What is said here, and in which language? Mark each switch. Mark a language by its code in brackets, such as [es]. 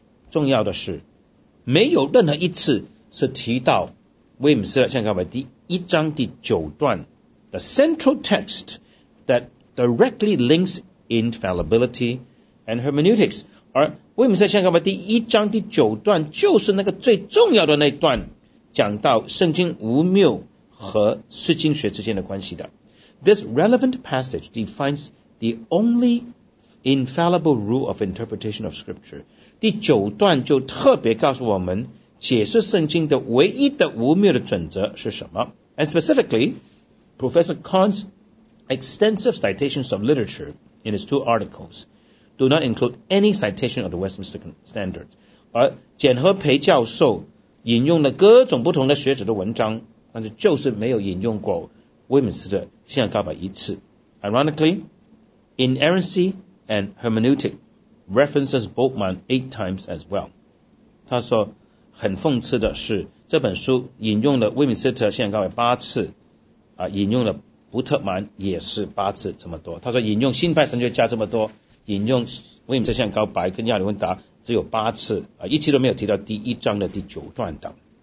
[zh] 重要的是没有任何一次是提到威敏斯的信仰告白第一章第九段， [en] The central text that directly links infallibility and hermeneutics， [zh] 而威敏斯的信仰告白第一章第九段就是那个最重要的那段，讲到圣经无谬和释经学之间的关系的。 [en] This relevant passage defines the only infallible rule of interpretation of scripture。 [zh] 第九段就特别告诉我们解释圣经的唯一的无谬的准则是什么。 [en] And specifically, Professor Kahn's extensive citations of literature in his two articles do not include any citation of the Westminster Standard. [zh] 而简和培教授引用了各种不同的学者的文章，但是就是没有引用过威敏斯特信仰告白一次。 [en] Ironically, inerrancy and hermeneutic references Bultmann 8 times as well. [zh] 他说很讽刺的是，这本书引用了威敏斯特信仰告白8次、引用了布特曼也是8次这么多。他说引用新派神学家这么多，引用威敏斯特信仰告白跟亚里文达只有8次、一期都没有提到第一章的第9段的。